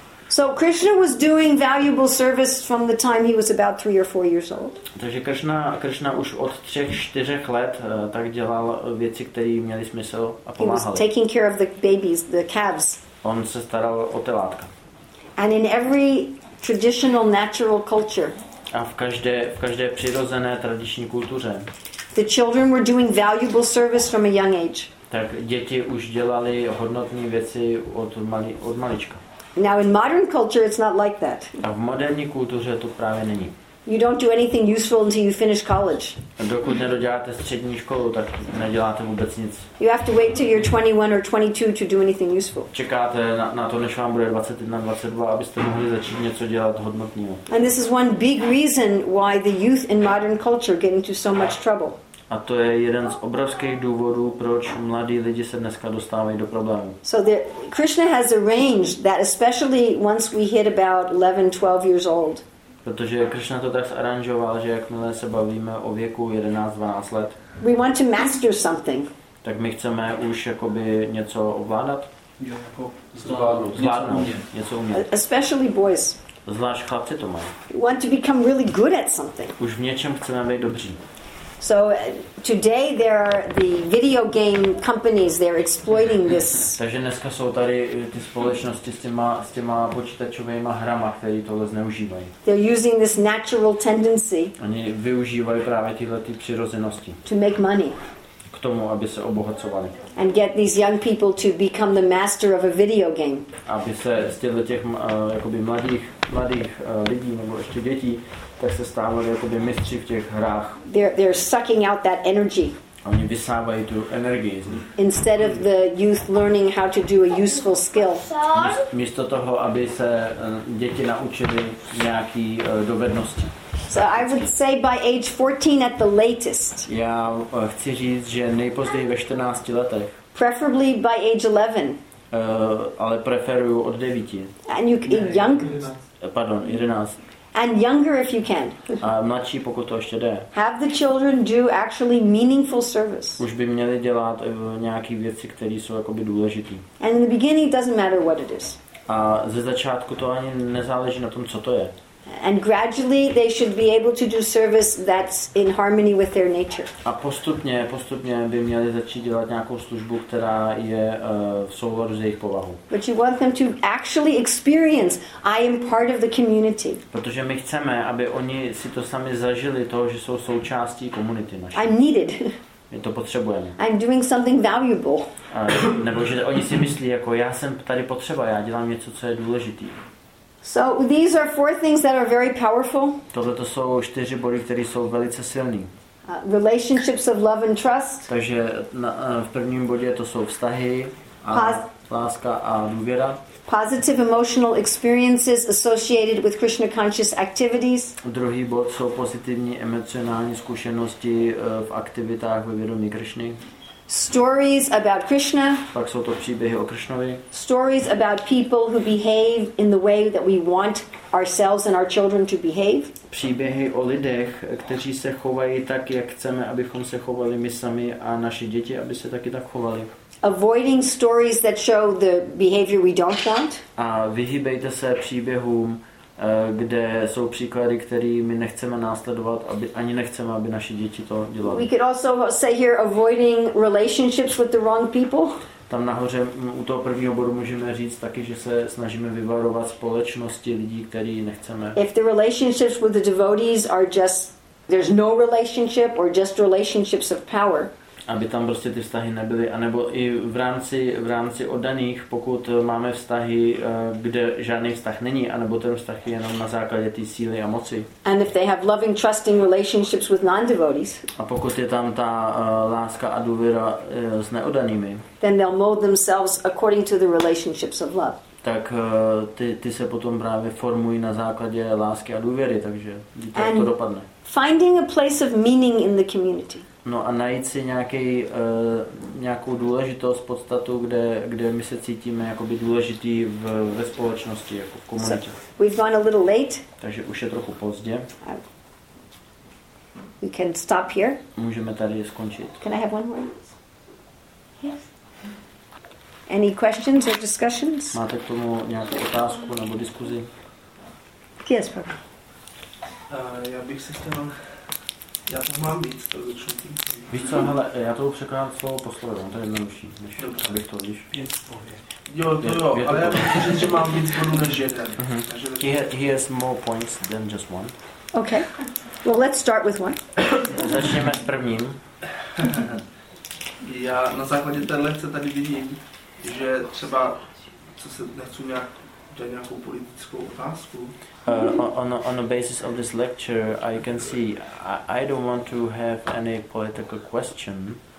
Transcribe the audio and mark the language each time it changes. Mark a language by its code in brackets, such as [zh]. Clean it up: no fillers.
[en] So Krishna was doing valuable service from the time he was about 3 or 4 years old. [cs] Takže Krishna už od 3-4 let tak dělal věci, které měly smysl a pomáhaly. [en] He was taking care of the babies, the calves. [cs] On se staral o telátka. [en] And in every traditional natural culture. [cs] A v každé přirozené tradiční kultuře. [en] The children were doing valuable service from a young age. [cs] Tak děti už dělali hodnotné věci od malička. [en] Now in modern culture it's not like that. [cs] A v moderní kultuře to právě není. [en] You don't do anything useful until you finish college. [cs] Dokud nedoděláte střední školu, tak neděláte vůbec nic. [en] You have to wait till you're 21 or 22 to do anything useful. [cs] Čekáte na to, než vám bude 21, 22, abyste mohli začít něco dělat hodnotného. [en] And this is one big reason why the youth in modern culture get into so much trouble. [cs] A to je jeden z obrovských důvodů, proč mladí lidi se dneska dostávají do problémů. [en] So Krishna has arranged that especially once we hit about 11, 12 years old. [cs] Protože Krishna to tak aranžoval, že jakmile se bavíme o věku 11, 12 let. [en] We want to master something. [cs] Tak my chceme už jakoby něco ovládat. Zvládnout. Něco umět. [en] Especially boys. [cs] Zvlášť chlapci to mají. [en] We want to become really good at something. [cs] Už v něčem chceme být dobří. [en] So today there are the video game companies, they're exploiting this. [cs] Takže dneska jsou tady ty společnosti s těma počítačovými hrama, které tohle zneužívají. [en] They're using this natural tendency. [cs] Oni využívají právě tyhle ty přirozenosti. [en] To make money. [cs] K tomu, aby se obohacovali. [en] And get these young people to become the master of a video game. [cs] Aby se z těch jakoby mladých lidí nebo ještě dětí tak se stávali jakoby mistři v těch hrách. [en] They're sucking out that energy. [cs] Oni vysávají tu energii. [en] Instead of the youth learning how to do a useful skill. [cs] Místo toho, aby se děti naučili nějaký dovednosti. [en] So I would say by age 14 at the latest. [cs] Já chci říct, že nejpozději ve 14 letech. [en] Preferably by age 11. [cs] Ale preferuju od 9. [en] And you can young. [cs] Pardon, 11. [en] And younger if you can. [cs] A mladší, pokud to ještě jde. [en] Have the children do actually meaningful service. [cs] Už by měli dělat nějaké věci, které jsou jakoby důležité. [en] And in the beginning it doesn't matter what it is. [cs] A ze začátku to ani nezáleží na tom, co to je. [en] And gradually they should be able to do service that's in harmony with their nature. [cs] A postupně by měli začít dělat nějakou službu, která je v souladu s jejich povahou. [en] But you want them to actually experience I am part of the community. [cs] Protože my chceme, aby oni si to sami zažili, to, že jsou součástí komunity naší. [en] I'm needed. [cs] My to potřebujeme. [en] I'm doing something valuable. [cs] Nebo že oni si myslí, jako já jsem tady potřeba, já dělám něco, co je důležitý. [en] So these are 4 things that are very powerful. [cs] Tohle to jsou 4 body, které jsou velice silné. [en] Relationships of love and trust. [cs] Takže v prvním bodě to jsou vztahy a láska a důvěra. [en] Positive emotional experiences associated with Krishna conscious activities. [cs] Druhý bod jsou pozitivní emocionální zkušenosti v aktivitách ve vědomí Krishny. [en] Stories about Krishna. [cs] Pak jsou to příběhy o Krishnovi. [en] Stories about people who behave in the way that we want ourselves and our children to behave. [cs] Příběhy o lidech, kteří se chovají tak, jak chceme, abychom se chovali my sami a naše děti, aby se taky tak chovali. [en] Avoiding stories that show the behavior we don't want. [cs] A vyhýbejte se příběhům, kde jsou příklady, které my nechceme následovat, ani nechceme, aby naše děti to dělali. [en] We could also say here avoiding relationships with the wrong people. [cs] Tam nahoře u toho prvního bodu můžeme říct taky, že se snažíme vyvarovat společnosti lidí, který nechceme. [en] If the relationships with the devotees are just there's no relationship or just relationships of power. [cs] Aby tam prostě ty vztahy nebyly, anebo i v rámci oddaných, pokud máme vztahy, kde žádný vztah není, anebo ten vztah je jenom na základě té síly a moci. [en] And if they have loving, trusting relationships with non-devotees. [cs] A pokud je tam ta láska a důvěra s neoddanými. [en] Then they'll mold themselves according to the relationships of love. [cs] tak ty se potom právě formují na základě lásky a důvěry, takže to [en] and [cs] to dopadne. [en] Finding a place of meaning in the community. [cs] No a najít si nějakou důležitost, podstatu, kde my se cítíme jakoby důležitý ve společnosti, jako v komunitě. [en] So we've gone a little late. [cs] Takže už je trochu pozdě. [en] We can stop here. [cs] Můžeme tady skončit. [en] Can I have one more? Yes. Any questions or discussions? [cs] Máte k tomu nějakou otázku nebo diskuzi? [en] Yes, Prabhu. [cs] Já bych se chtěl... Já to mám víc, to začnutí. Víš co, hele, já to překládám slovo po slovo, on to je jednodušší, než abych to víš. Jo, ale já myslím, že mám víc bodů než jeden. [en] He has more points than just one. Okay. Well, let's start with one. [cs] Začněme s prvním. Já na základě té lekce tady vidím, že třeba, co se nechci nějak... [en] On the basis of this lecture, I can see I don't want to have any political question.